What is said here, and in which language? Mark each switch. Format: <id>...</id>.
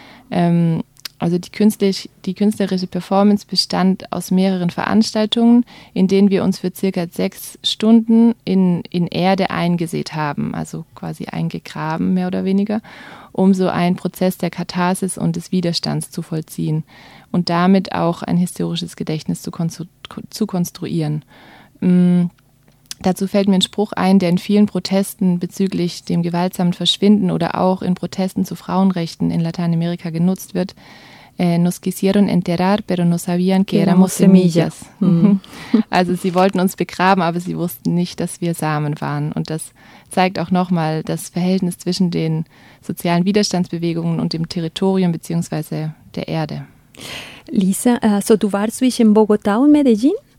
<de>Also die künstlerische Performance bestand aus mehreren Veranstaltungen, in denen wir uns für circa 6 Stunden in Erde eingesät haben, also quasi eingegraben mehr oder weniger, um so einen Prozess der Katharsis und des Widerstands zu vollziehen und damit auch ein historisches Gedächtnis zu konstruieren. Dazu fällt mir ein Spruch ein, der in vielen Protesten bezüglich dem gewaltsamen Verschwinden oder auch in Protesten zu Frauenrechten in Lateinamerika genutzt wird.</de> <es>Nos quisieron enterrar, pero no sabían que éramos semillas.</es> <de>Also sie wollten uns begraben, aber sie wussten nicht, dass wir Samen waren. Und das zeigt auch nochmal das Verhältnis zwischen den sozialen Widerstandsbewegungen und dem Territorium bzw. der Erde. Lisa, also du warst zwischen Bogotá und Medellín?</de>